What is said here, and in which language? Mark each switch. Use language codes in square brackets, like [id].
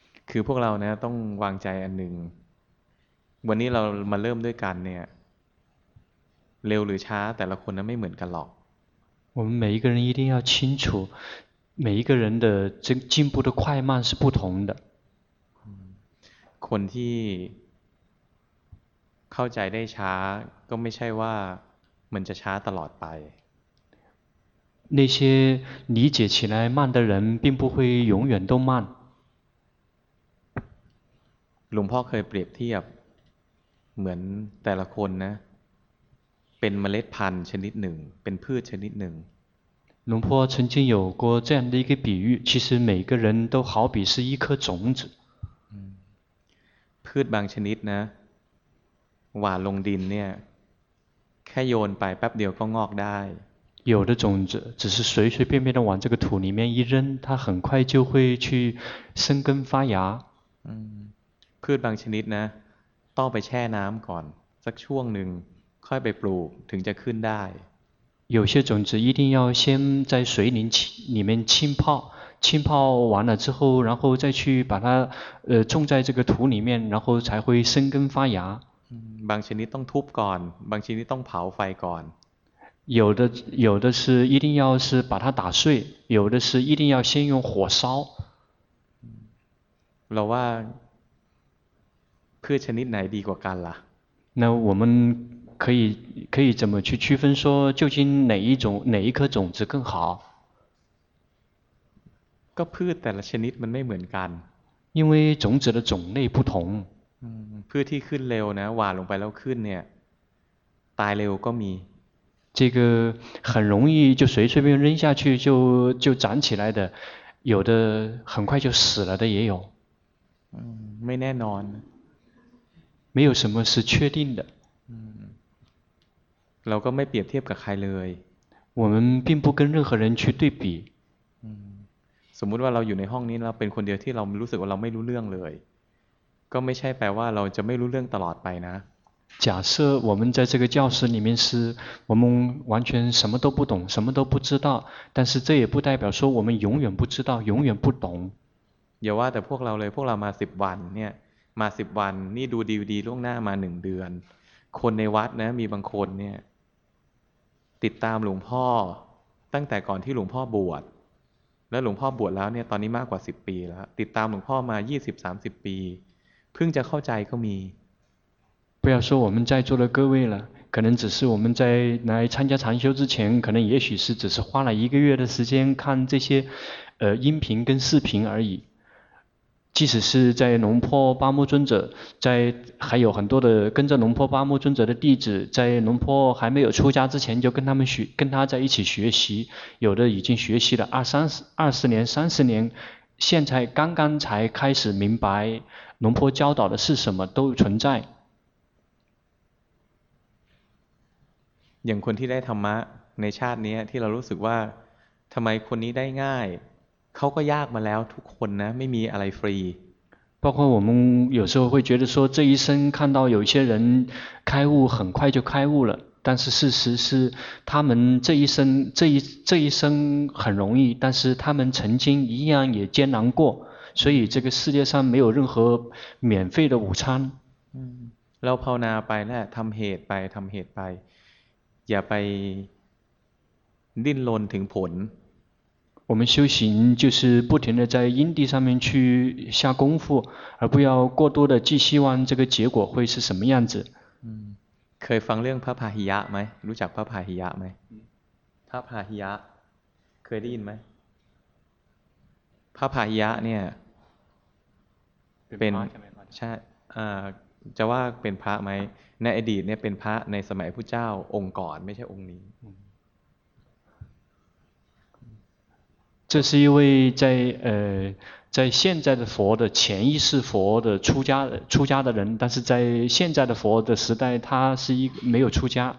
[th] คือพวกเราเนี่ยต้องวางใจอันหนึ่งวันนี้เรามาเริ่มด้วยกันเนี่ยเร็วหรือช้าแต่ละคนนั้นไม่เหมือนกันหรอก [zh] 我们每一个人一定要清楚每一个人的进步的快慢是不同的 [th] คนที่เข้าใจได้ช้าก็ไม่ใช่ว่ามันจะช้าตลอดไป [zh] 那些理解起来慢的人并不会永远都慢 [th] หลวงพ่อเคยเปรียบเทียบเหมือนแต่ละคนนะเป็นเมล็ดพันธุ์ชนิดหนึ่งเป็นพืชชนิดหนึ่ง [zh] หลวงพ่อ曾经有过这样的一个比喻其实每个人都好比是一颗种子 [th] พืชบางชนิดนะหว่านลงดินเนี่ยแค่โยนไปแป๊บเดียวก็งอกได้ [zh] 有的种子只是随随便便的往这个土里面一扔它很快就会去生根发芽 [th] พืชบางชนิดนะต้องไปแช่น้ำก่อนสักช่วงหนึ่งค่อยไปปลูกถึงจะขึ้นได้ [zh] 有些种子一定要先在水里面浸泡浸泡完了之后然后再去把它种在这个土里面然后才会生根发芽 [th] บางชนิดต้องทุบก่อนบางชนิดต้องเผาไฟก่อน [zh] 有的是一定要是把它打碎有的是一定要先用火烧 [th] เราว่าพืชชนิดไหนดีกว่ากันล่ะ [zh] 那我们可以怎么去区分说究竟哪一种哪一颗种子更好 [th] ก็พืชแต่ละชนิดมันไม่เหมือนกัน [zh] 因为种子的种类不同 [th] พืชที่ขึ้นเร็วนะหว่านลงไปแล้วขึ้นเนี่ยตายเร็วก็มี [zh] 这个很容易就随随便扔下去就长起来的有的很快就死了的也有 [th] ไม่แน่นอน [zh] 没有什么是确定的 [th] เราก็ไม่เปรียบเทียบกับใครเลย [zh] 我们并不跟任何人去对比 [th] สมมุติว่าเราอยู่ในห้องนี้เราเป็นคนเดียวที่เรารู้สึกว่าเราไม่รู้เรื่องเลยก็ไม่ใช่แปลว่าเราจะไม่รู้เรื่องตลอดไปนะ [zh] 假设我们在这个教室里面是我们完全什么都不懂什么都不知道但是这也不代表说我们永远不知道永远不懂 [th] อย่าว่าแต่พวกเราเลยพวกเรามา10วันเนี่ยมา10วันนี่ดูดีๆล่วงหน้ามา1เดือนคนในวัดนะมีบางคนเนี่ยติดตามหลวงพ่อตั้งแต่ก่อนที่หลวงพ่อบวชแล้วหลวงพ่อบวชแล้วเนี่ยตอนนี้มากกว่า10ปีแล้วติดตามหลวงพ่อมา20 30ปีเพิ่งจะเข้าใจก็มี [zh] 不要说我们在座的各位了可能只是我们在来参加禅修之前可能也许是只是花了一个月的时间看这些音频跟视频而已即使是在龙坡巴木尊者，在还有很多的跟着龙坡巴木尊者的弟子，在龙坡还没有出家之前就跟他们学，跟他在一起学习，有的已经学习了二十年、三十年，现在刚刚才开始明白龙坡教导的是什么，都存在。 [th] อย่างคนที่ได้ธรรมะในชาตินี้ที่เรารู้สึกว่าทำไมคนนี้ได้ง่ายเขาก็ยากมาแล้วทุกคนนะไม่มีอะไรฟรี [zh] 包括我们有时候会觉得说这一生看到有些人开悟很快就开悟了但是事实是他们这一生很容易但是他们曾经一样也艰难过所以这个世界上没有任何免费的午餐 [th] เราภาวนาไปแล้วทำเหตุไปทำเหตุไปอย่าไปดิ้นรนถึงผล [zh] 我们修行就是不停的在因地上面去下功夫而不要过多的寄希望这个结果会是什么样子 [th] เคยฟังเรื่องพระพาหิยะไหมรู้จักพระพาหิยะไหมพระพาหิยะเคยได้ยินไหมพระพาหิยะเนี่ย เป็น ใช่จะว่าเป็นพระไหมในอดีตเนี่ยเป็นพระในสมัยพุทธเจ้าองค์ก่อนไม่ใช่องค์นี้ [zh] 这是一位在在现在的佛的前一世佛的出家的人但是在现在的佛的时代他是一没有出家